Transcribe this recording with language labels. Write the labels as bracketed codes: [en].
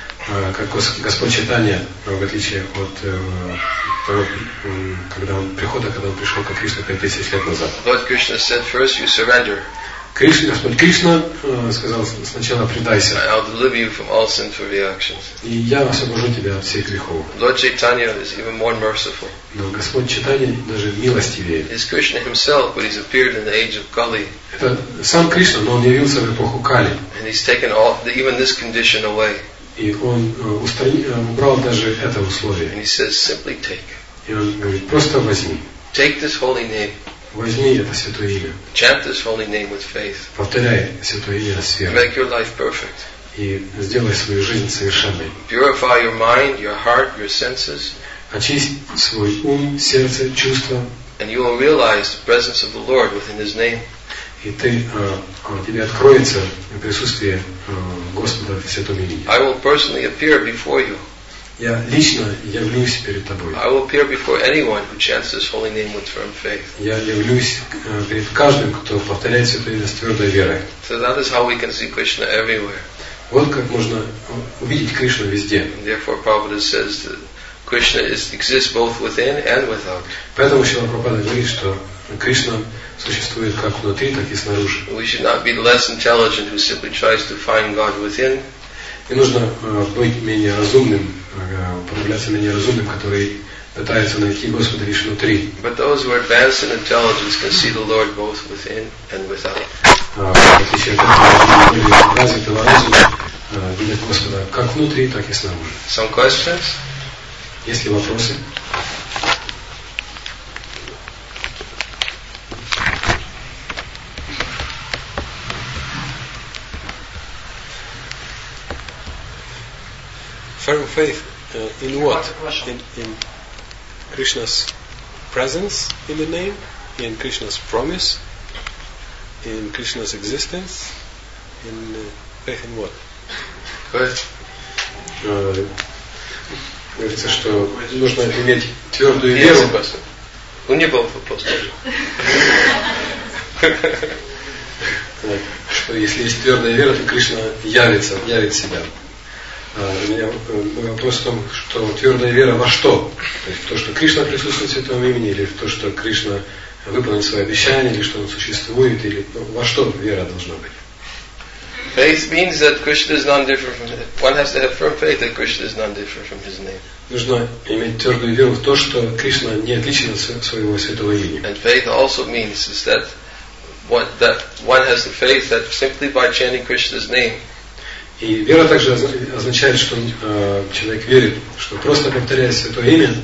[ru] Как Господь Чайтанья, в отличие от когда он пришел как Кришна 5000 лет назад. [en] Lord Krishna said, first you surrender. [ru] Господь Кришна сказал, сначала предайся. [en] I'll deliver you from all sinful reactions. [ru] И я освобожу тебя от всех грехов. [en] Lord Chaitanya is even more merciful. [ru] Но Господь Чайтанья даже милостивее. [en] He's Krishna himself, but he's appeared in the age of Kali. [ru] Это сам Кришна, но он явился в эпоху Кали. [en] And he's taken all, even this condition away. [ru] И он убрал даже это условие. [en] And he says, simply take. [ru] И он говорит, просто возьми. [en] Take this holy name. [ru] Возьми это святое имя. [en] Chant this holy name with faith. [ru] Повторяй святое имя с верой. [en] Make your life perfect. [ru] И сделай свою жизнь совершенной. [en] Purify your mind, your heart, your senses. [ru] Очисти свой ум, сердце, чувства. [en] And you will realize the presence of the Lord within His name. [ru] И ты, тебе откроется присутствие Господа в святом имени. [en] I will personally appear before you. [ru] Я лично явлюсь перед тобой. [en] I will appear before anyone who chants this holy name with firm faith. [ru] Я явлюсь перед каждым, кто повторяет святое имя с твердой верой. [en] So that is how we can see Krishna everywhere. [ru] Вот как можно увидеть Кришну везде. [en] Therefore, Prabhupada says that Krishna exists both within and without. [ru] Поэтому Шрила Прабхупада говорит, что Кришна существует как внутри, так и снаружи. [en] We should not be less intelligent who simply tries to find God within. [ru] И нужно быть менее разумным, проявляться менее разумным, который пытается найти Господа лишь внутри. [en] But those who are advanced in intelligence can see the Lord both within and without. [ru] В отличие от этого, люди развитого разума, видя ответ Господа, как внутри, так и снаружи. [en] Some questions? [ru] Есть ли вопросы? [en] Firm faith in what? In Krishna's presence in the name, in Krishna's promise, in Krishna's existence, in faith in what? [ru] Говорится, что нужно иметь твердую веру. У не был вопрос. Что если есть твердая вера, то Кришна явится, явит себя. Мой вопрос в том, что твердая вера во что? То есть в то, что Кришна присутствует в святом имени, или в то, что Кришна выполнит свои обещания, или что он существует, или во что вера должна быть? [en] Faith means that Krishna is non-different from His name. One has to have firm faith that Krishna is non-different from His name. [ru] Нужно иметь твердую веру в то, что Кришна не отличен от своего святого имени. [en] And faith also means is that what that one has the faith that simply by chanting Krishna's name. [ru] И вера также означает, что человек верит, что просто повторяя святое имя.